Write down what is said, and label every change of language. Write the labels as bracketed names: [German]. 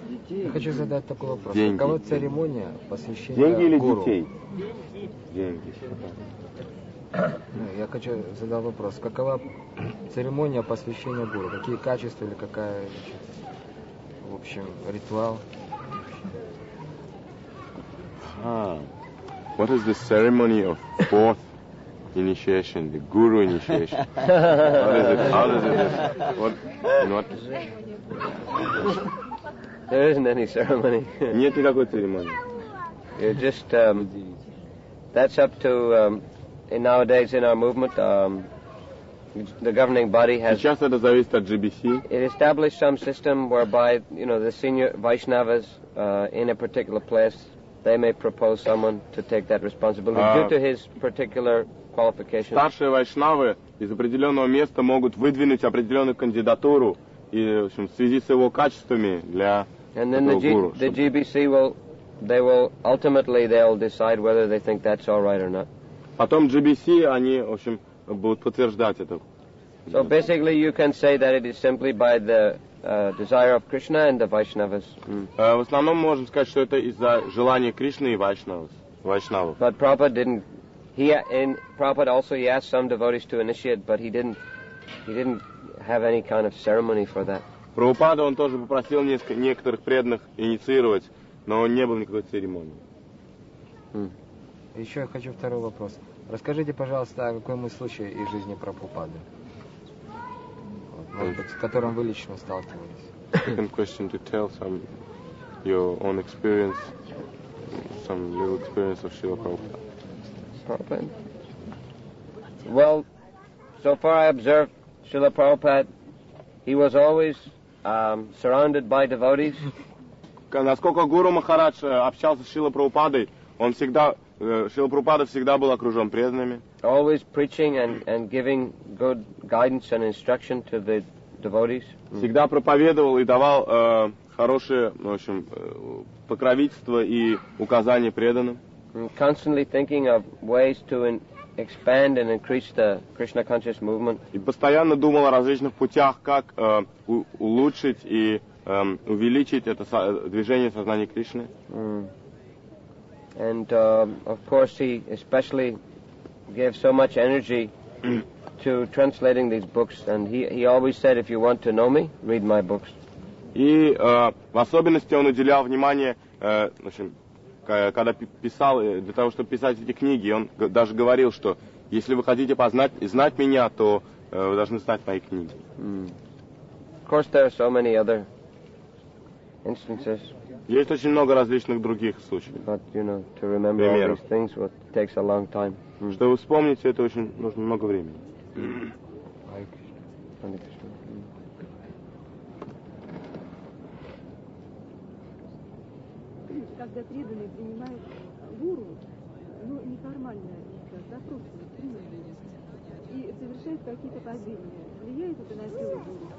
[Russian] Я хочу задать такой вопрос. Деньги. Какова церемония посвящения деньги или гуру? Детей? Деньги. Я хочу задать вопрос. Какова церемония посвящения гуру? Какие качества или какая, в общем, ритуал? [English] What is the ceremony of fourth initiation, the guru initiation? What is it? How does it? What? Not. There isn't any ceremony. [Russian] Нет никакой церемонии. [English] You just that's up to in nowadays in our movement the governing body has. [Russian] Сейчас это зависит от GBC. [English] It established some system whereby you know the senior Vaishnavas in a particular place. They may propose someone to take that responsibility due to his particular qualifications. [Russian] Старшие вайшнавы из определенного места могут выдвинуть определенную кандидатуру и, в общем, в связи с его качествами для [English] And then [Russian] этого гуру. [English] The GBC will, they will ultimately they'll decide whether they think that's all right or not. [Russian] Потом GBC они, в общем, будут подтверждать это. [English] So basically, you can say that it is simply by the desire of Krishna and the Vaishnavas. [Russian] В основном мы можем сказать, что это из-за желания Кришны и Вайшнавов. [English] But Prabhupada didn't. Prabhupada also he asked some devotees to initiate, but he didn't have any kind of ceremony for that. [Russian] Прабхупада он тоже попросил некоторых преданных инициировать, но не было никакой церемонии. Еще я хочу второй вопрос. Расскажите, пожалуйста, о каком случае из жизни Прабхупады. Может быть, с которым вы лично сталкивались. [English] Second question to tell some your own experience, some little experience of Srila Prabhupada. Prabhupada? Well, so far I observed Srila Prabhupada, he was always surrounded by devotees. [Russian] Насколько Гуру Махарадж общался с Шрилой Прабхупадой, он всегда, Шрила Прабхупада всегда был окружен преданными. [English] Always preaching and giving good guidance and instruction to the devotees. [Russian] Всегда проповедовал и давал хорошее, в общем, покровительство и указания преданным. [English] Constantly thinking of ways to expand and increase the Krishna conscious movement. [Russian] И постоянно думал о различных путях, как улучшить и увеличить это движение сознания Кришны. [English] And of course he especially gave so much energy to translating these books, and he always said, if you want to know me, read my books. [Russian] И в особенности он уделял внимание, в общем, когда писал для того, чтобы писать эти книги, он даже говорил, что если вы хотите познать и знать меня, то вы должны знать мои книги. [English] Of course, there are so many other instances. [Russian] Есть очень много различных других случаев. [English] But you know, to remember all these things, what takes a long time. [Russian] Чтобы вспомнить, это очень нужно много времени. Когда преданный принимает гуру, ну, неформально, запросы, и совершает какие-то падения, влияет это на силу гуру?